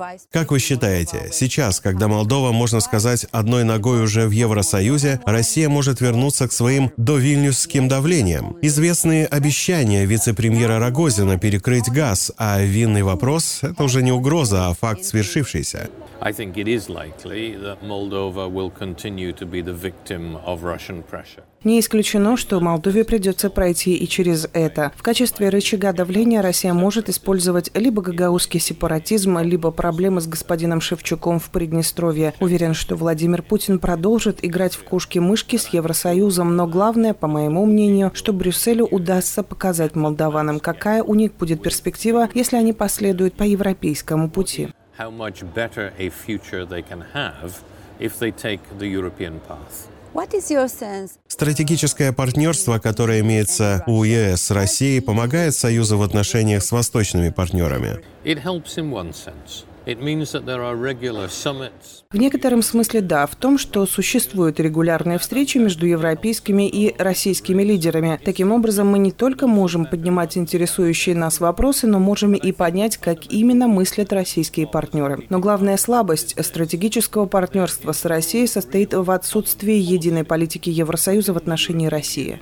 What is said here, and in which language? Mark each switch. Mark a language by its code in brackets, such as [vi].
[ru] Как вы считаете, сейчас, когда Молдова, можно сказать, одной ногой уже в Евросоюзе, Россия может вернуться к своим довильнюсским давлениям? Известные обещания вице-премьера Рогозина перекрыть газ, а винный вопрос – это уже не угроза, а факт свершившийся. [en] I think it is likely that Moldova will continue to be the victim of Russian pressure. [ru] Не исключено, что Молдове придется пройти и через это. В качестве рычага давления Россия может использовать либо гагаузский сепаратизм, либо проблемы с господином Шевчуком в Приднестровье. Уверен, что Владимир Путин продолжит играть в кошки-мышки с Евросоюзом, но главное, по моему мнению, что Брюсселю удастся показать молдаванам, какая у них будет перспектива, если они последуют по европейскому пути. [en] How much better a future they can have if they take the European path. What is your sense? [ru] Стратегическое партнерство, которое имеется у ЕС с Россией, помогает Союзу в отношениях с восточными партнерами. [en] It helps in one sense. It means that there are regular summits. [ru] В некотором смысле да, в том, что существуют регулярные встречи между европейскими и российскими лидерами. Таким образом, мы не только можем поднимать интересующие нас вопросы, но можем и понять, как именно мыслят российские партнеры. Но главная слабость стратегического партнерства с Россией состоит в отсутствии единой политики Евросоюза в отношении России.